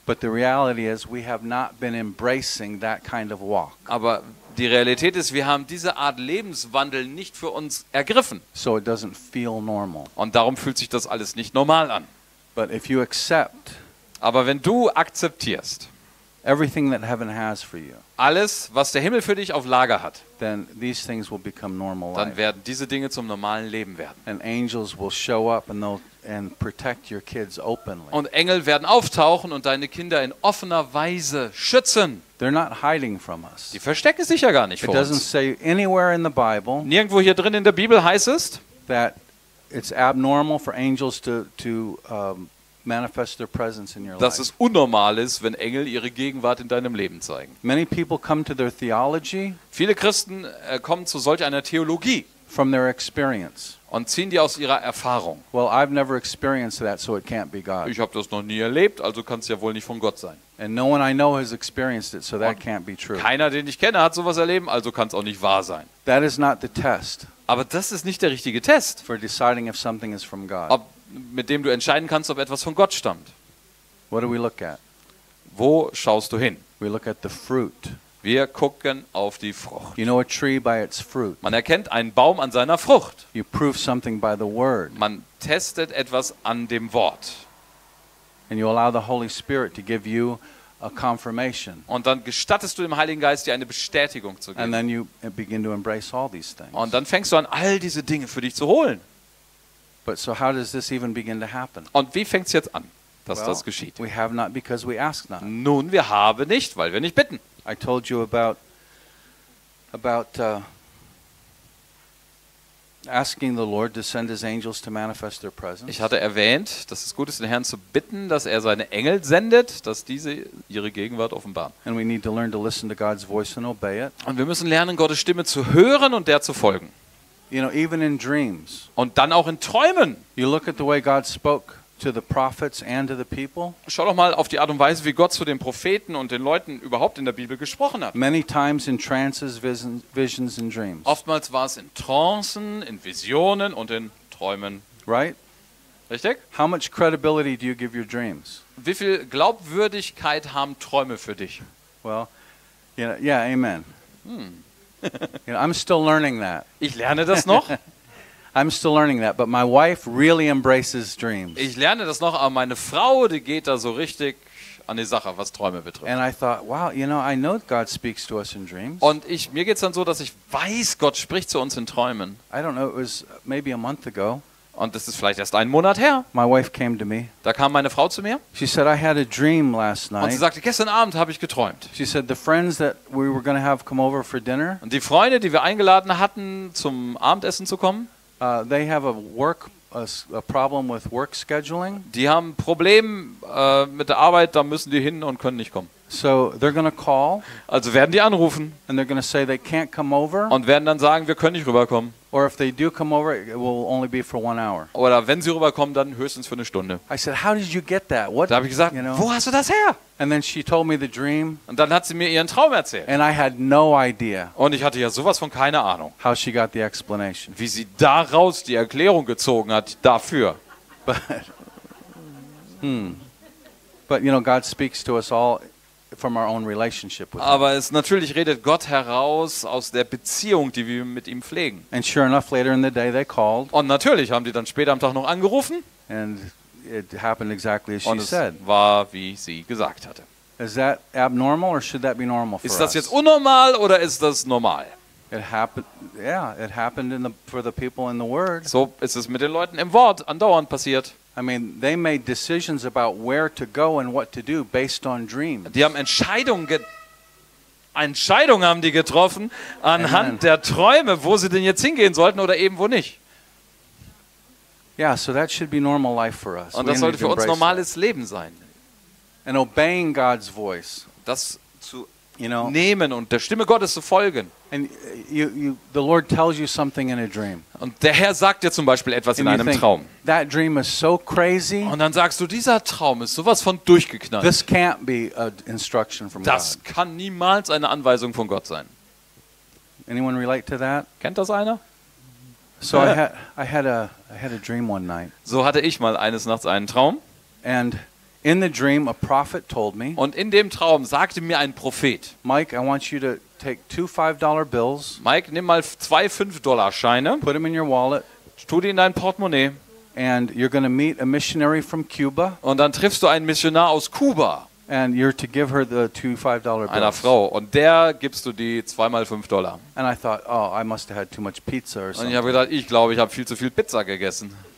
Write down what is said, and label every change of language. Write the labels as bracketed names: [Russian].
[English] But the reality is, we have not been embracing that kind of walk. [German] Aber die Realität ist, wir haben diese Art Lebenswandel nicht für uns ergriffen. [English] So it doesn't feel normal. [German] Und darum fühlt sich das alles nicht normal an. [English] But if you accept, [German] aber wenn du akzeptierst, [English] everything that heaven has for you, [German] alles, was der Himmel für dich auf Lager hat, [English] then these things will become normal life. [German] Dann werden diese Dinge zum normalen Leben werden. [English] And angels will show up and they'll and protect your kids openly. [German] Und Engel werden auftauchen und deine Kinder in offener Weise schützen. [English] They're not hiding from us. [German] Die verstecken sich ja gar nicht vor uns. [English] It doesn't say anywhere in the Bible. [German] Nirgendwo hier drin in der Bibel heißt es, [English] that it's abnormal for angels to manifest their presence in your life. [German] Dass es unnormal ist, wenn Engel ihre Gegenwart in deinem Leben zeigen. [English] Many people come to their theology. [German] Viele Christen kommen zu solch einer Theologie. [English] From their experience. [German] Und ziehen die aus ihrer Erfahrung. [English] Well, I've never experienced that, so it can't be God. [German] Ich habe das noch nie erlebt, also kann es ja wohl nicht von Gott sein. [English] And no one I know has experienced it, so that can't be true. [German] Keiner, den ich kenne, hat sowas erlebt, also kann es auch nicht wahr sein. [English] That is not the test. [German] Aber das ist nicht der richtige Test. [English] For deciding if something is from God. [German] Ob, mit dem du entscheiden kannst, ob etwas von Gott stammt. [English] What do we look at? [German] Wo schaust du hin? [English] We look at the fruit. [German] Wir gucken auf die Frucht. [English] You know a tree by its fruit. [German] Man erkennt einen Baum an seiner Frucht. [English] You prove something by the word. [German] Man testet etwas an dem Wort. [English] And you allow the Holy Spirit to give you a confirmation. [German] Und dann gestattest du dem Heiligen Geist, dir eine Bestätigung zu geben. [English] And then you begin to embrace all these things. [German] Und dann fängst du an, all diese Dinge für dich zu holen. [English] But so how does this even begin to happen? [German] Und wie fängt es jetzt an, dass [English] well, [German] das geschieht? [English] We have not because we ask not. [German] Nun, wir haben nicht, weil wir nicht bitten. [English] I told you about asking the Lord to send his angels to manifest their presence. [German] Ich hatte erwähnt, dass es gut ist, den Herrn zu bitten, dass er seine Engel sendet, dass diese ihre Gegenwart offenbaren. [English] And we need to learn to listen to God's voice and obey it. [German] Und wir müssen lernen, Gottes Stimme zu hören und der zu folgen. [English] You know, even in dreams. [German] Und dann auch in Träumen. [English] You look at the way God spoke to the prophets and to the people. [German] Schau doch mal auf die Art und Weise, wie Gott zu den Propheten und den Leuten überhaupt in der Bibel gesprochen hat. [English] Many times in trances, visions and dreams. [German] Oftmals war es in Trancen, in Visionen und in Träumen. [English] Right? [German] Richtig? [English] How much credibility do you give your dreams? [German] Wie viel Glaubwürdigkeit haben Träume für dich? [English] Well, yeah, amen. Hmm. You know, I'm still learning that. [German] Ich lerne das noch. [English] I'm still learning that, but my wife really embraces dreams. [German] Ich lerne das noch, aber meine Frau, die geht da so richtig an die Sache, was Träume betrifft. [English] And I thought, wow, you know, I know God speaks to us in dreams. [German] Und ich mir geht's dann so, dass ich weiß, Gott spricht zu uns in Träumen. [English] I don't know, it was maybe a month ago. [German] Und das ist vielleicht erst einen Monat her. [English] My wife came to me. [German] Da kam meine Frau zu mir. [English] She said, I had a dream last night. [German] Und sie sagte, gestern Abend habe ich geträumt. [English] She said, the friends that we were going to have come over for dinner. [German] Und die Freunde, die wir eingeladen hatten, zum Abendessen zu kommen. [English] They have a problem with work scheduling. [German] Die haben ein Problem mit der Arbeit, da müssen die hin und können nicht kommen. [English] So they're gonna call. [German] Also werden die anrufen. [English] And they're gonna say they can't come over. [German] Und werden dann sagen, wir können nicht rüberkommen. [English] Or if they do come over, it will only be for 1 hour. [German] Oder wenn sie rüberkommen, dann höchstens für eine Stunde. [English] I said, how did you get that? What? [German] Da habe ich gesagt, [English] you know? [German] Wo hast du das her? [English] And then she told me the dream. [German] Und dann hat sie mir ihren Traum erzählt. [English] And I had no idea. [German] Und ich hatte ja sowas von keine Ahnung. [English] How she got the explanation. [German] Wie sie daraus die Erklärung gezogen hat dafür. [English] But you know, God speaks to us all. From our own relationship with him. [German] Aber es natürlich redet Gott heraus aus der Beziehung, die wir mit ihm pflegen. [English] And sure enough, later in the day they called. [German] Und natürlich haben die dann später am Tag noch angerufen. [English] And it happened exactly as she [German] Und es [English] said. [German] War, wie sie gesagt hatte. [English] Is that abnormal or should that be normal for [German] Ist das jetzt unnormal oder ist das normal? [English] It happened. Yeah, it happened in the for the people in the Word. [German] So ist es mit den Leuten im Wort andauernd passiert. [English] I mean, they made decisions about where to go and what to do based on dreams. [German] Die haben Entscheidungen haben die getroffen anhand der Träume, wo sie denn jetzt hingehen sollten oder eben wo nicht. [English] Yeah, so that should be normal life for us. [German] Und das sollte für uns normales Leben sein. [English] And obeying God's voice. [German] Das zu nehmen und der Stimme Gottes zu folgen. [English] And you, the Lord tells you something in a dream. [German] Und der Herr sagt dir zum Beispiel etwas in einem Traum. [English] That dream is so crazy. [German] Und dann sagst du, dieser Traum ist sowas von durchgeknallt. [English] This can't be an instruction from God. [German] Das kann niemals eine Anweisung von Gott sein. [English] Anyone relate to that? [German] Kennt das einer? [English] So I had a dream one night. [German] So hatte ich mal eines Nachts einen Traum. [English] And in the dream, a prophet told me. [German] Und in dem Traum sagte mir ein Prophet. [English] Mike, I want you to take 2 $5 bills. [German] Mike, nimm mal 2 $5 Scheine. [English] Put them in your wallet. [German] Tu die in dein Portemonnaie. [English] And you're going to meet a missionary from Cuba. [German] Und dann triffst du einen Missionar aus Kuba. [English] And you're to give her the 2 $5 bills. [German] Einer Frau. Und der gibst du die 2 mal $5. [English] And I thought, oh, I must have had too much pizza or something. [German] Und ich habe gedacht, ich glaube, ich habe viel zu viel Pizza gegessen.